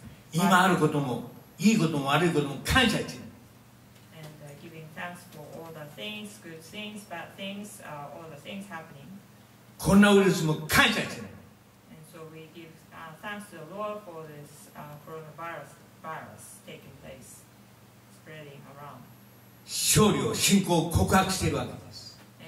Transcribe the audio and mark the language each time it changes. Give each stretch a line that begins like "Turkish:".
Japanese: 今あることも、いいことも悪いことも感謝してる。
English: And giving thanks for all the things, good things, bad things, all the things happening.
Japanese: こんなウイルスも感謝してる。
English: And so we give thanks to the Lord for this coronavirus taking place, spreading around.
Japanese: 勝利を信仰を告白しているわけです。